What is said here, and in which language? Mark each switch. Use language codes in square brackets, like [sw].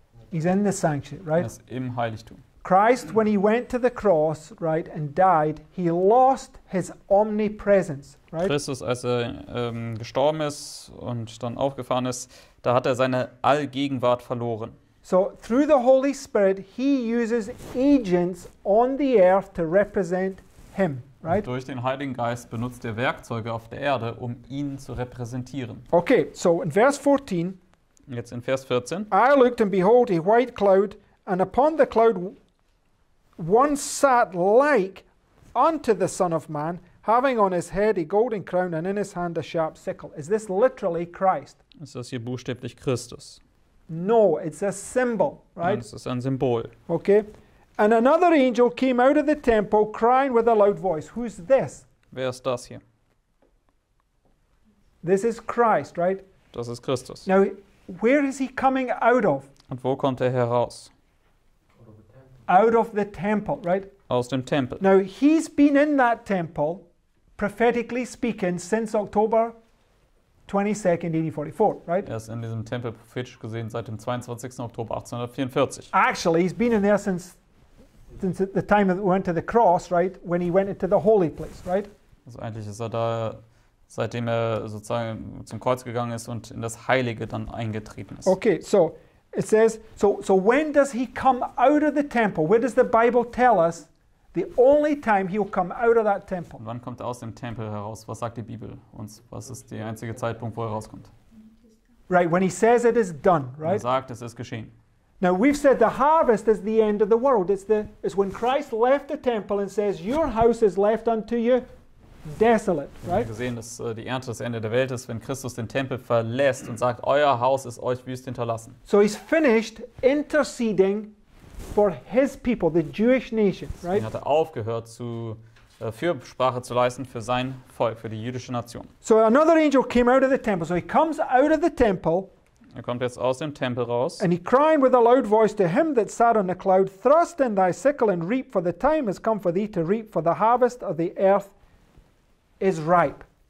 [en] He's in the sanctuary, right? [de] Er ist im Heiligtum. [en] Christ, when he went to the cross, right, and died, he lost his omnipresence, right? [de] Christus, als er gestorben ist und dann aufgefahren ist, da hat er seine Allgegenwart verloren. [en] So, through the Holy Spirit, he uses agents on the earth to represent him. Right? [de] Durch den Heiligen Geist benutzt er Werkzeuge auf der Erde, um ihn zu repräsentieren. [en] Okay, so in verse 14. [de] Jetzt in Vers 14. [en] I looked and behold a white cloud, and upon the cloud one sat like unto the Son of Man, having on his head a golden crown and in his hand a sharp sickle. Is this literally Christ? [de] Ist das hier buchstäblich Christus? [en] No, it's a symbol, right? [de] Nein, es ist ein Symbol. [en] Okay. And another angel came out of the temple crying with a loud voice. Who's this? [de] Wer ist das hier? [en] This is Christ, right? [de] Das ist Christus. [en] Now, where is he coming out of? [de] Und wo kommt er heraus? [en] Out of the temple, right? [de] Aus dem Tempel. [en] Now, he's been in that temple, prophetically speaking, since October 22nd, 1844, right? [de] Er ist in diesem Tempel prophetisch gesehen seit dem 22. Oktober 1844. [en] Actually, he's been in there since the time that we went to the cross, right, when he went into the holy place, right? [de] Also eigentlich ist er da, seitdem er sozusagen zum Kreuz gegangen ist und in das Heilige dann eingetreten ist. [en] Okay, so, It says, so when does he come out of the temple? Where does the Bible tell us the only time he'll come out of that temple? [de] Und wann kommt er aus dem Tempel heraus? Was sagt die Bibel uns? Was ist der einzige Zeitpunkt, wo er rauskommt? [en] Right, when he says it is done, right? [de] Er sagt, es ist geschehen. [en] Now we've said the harvest is the end of the world. It's when Christ left the temple and says, your house is left unto you desolate, right? [de] Wir haben gesehen, dass die Ernte das Ende der Welt ist, wenn Christus den Tempel verlässt und sagt, euer Haus ist euch wüst hinterlassen. [en] So he's finished interceding for his people, the Jewish nation, right? [de] Er hat aufgehört zu Fürsprache zu leisten für sein Volk, für die jüdische Nation. [en] So another angel came out of the temple. So he comes out of the temple. [de] Er kommt jetzt aus dem Tempel raus. [en] And he cried with a loud voice to him that sat on the cloud, thrust in thy sickle and reap, for the time has come for thee to reap, for the harvest of the earth is ripe.